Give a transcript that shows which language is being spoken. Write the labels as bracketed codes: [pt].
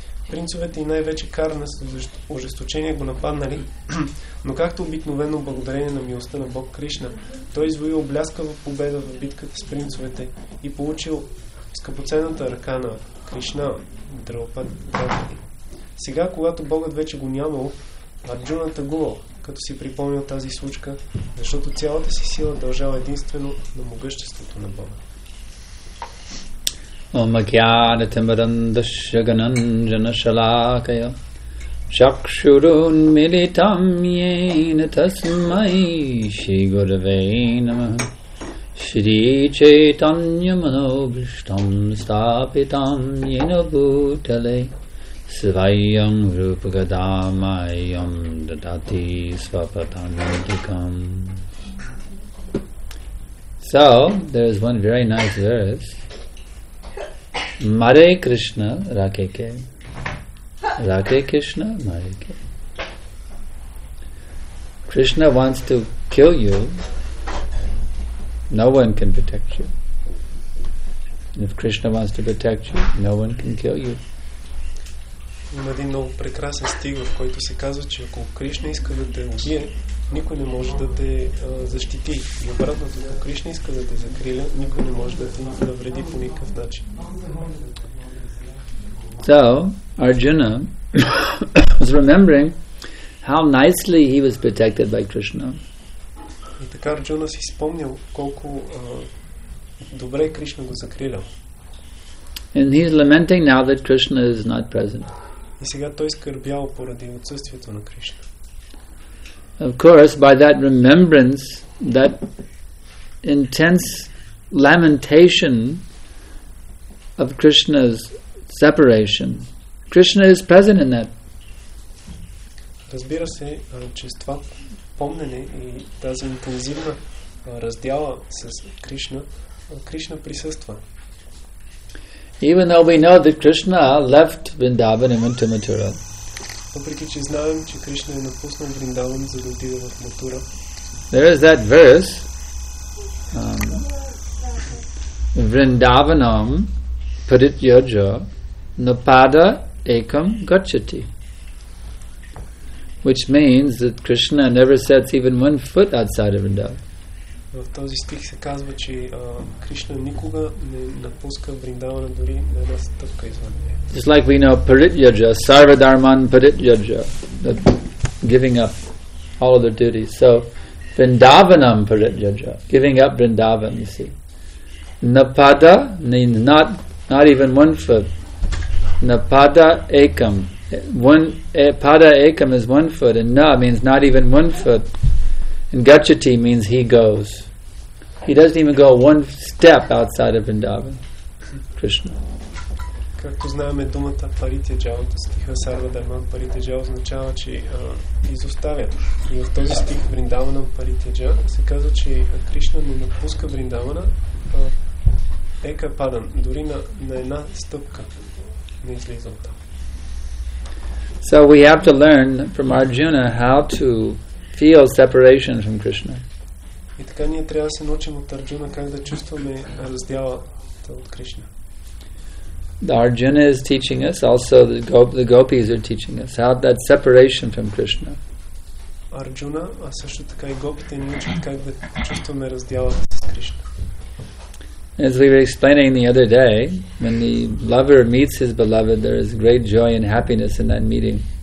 [bg] Принцовете и най-вече Карна с ожесточение го нападнали, но както обикновено благодарение на милостта на Бог Кришна, той извоил бляскава победа в битката с принцовете и получил скъпоценната ръка на Кришна Драупади. Сега, когато Богът вече го нямал, Арджуна тъгувал, като си припомнил тази случка, защото цялата си сила дължава единствено на могъществото на Бога. [sa] Омагяна тамаранда шагананджана шалакая шакшурун милитам йена тасмай ши гурве намаха Шри Чайтанья Манобиштам Стапитам Йена Бутале Свайям Рупагадамайям Дадати Свапатанадикам. [en] So, there is one very nice verse. [sa] Mare Krishna Rakeke. Rake Krishna Mareke. [en] Krishna wants to kill you. No one can protect you. And if Krishna wants to protect you, no one can kill you. [bg] Има един много прекрасен стих, в който се казва, че ако Кришна иска да те убие, никой не може да те защити. И обратното, ако Кришна иска да те закриля, никой не може да те навреди по никакъв начин. [en] So, Arjuna was remembering how nicely he was protected by Krishna. [bg] И така Арджуна си спомнил колко добре Кришна го закрилял. [en] And he is lamenting now that Krishna is not present. [bg] И сега той скърбял поради отсъствието на Кришна. [en] Of course, by that remembrance, that intense lamentation of Krishna's separation, Krishna is present in that. [bg] Разбира се, че с това помнене и тази интензивна раздяла с Кришна, Кришна присъства. [en] Even though we know that Krishna left Vrindavan and went to Mathura. [bg] Въпреки че знаем, че Кришна е напуснал Вриндаван, за да отиде в Матура. [en] There is that verse. [sa] Vrindavanam parityaja napada ekam gacchati. [en] Which means that Krishna never sets even one foot outside of Vrindavan. [bg] В този стих се казва, че Кришна никога не напуска Вриндавана дори на една стъпка извън нея. [en] Just like we know Parityaja, Sarvadharman Parityaja, that giving up all other duties. So, Vrindavanam Parityaja, giving up Vrindavan, you see. Napada means not even one foot. Napada ekam. Pada ekam is one foot, and na means not even one foot. And gacchati means he goes. He doesn't even go one step outside of Vrindavan, Krishna. [bg] Както знаеме думата Parityajao, стиха Sarvadharman Parityajao означава, че изоставя. И в този стих Vrindavanam Parityajao се казва, че Кришна не напуска Vrindavana, ека падан, дори на една стъпка не излиза оттам. [en] So we have to learn from Arjuna how to feel separation from Krishna. [bg] И така ние трябва да се научим от Арджуна как да чувстваме раздялата от Кришна. [en] Arjuna is teaching us, also the gopis are teaching us, how that separation from Krishna. [bg] Arjuna, а също така и гопите ни учат как да чувстваме раздялата с Кришна. [en] As we were explaining the other day, when the lover meets his beloved, there is great joy and happiness in that meeting.